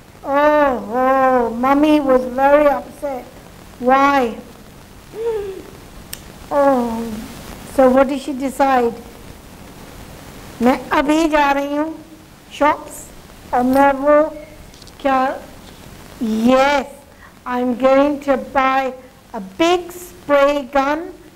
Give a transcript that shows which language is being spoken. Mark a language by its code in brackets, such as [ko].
[en] Oh, oh, mummy was very upset. Why? Oh, so what did she decide? [hi] मैं अभी जा रही हूँ shops. और मैं वो क्या? [en] Yes, I'm going to buy a big spray gun.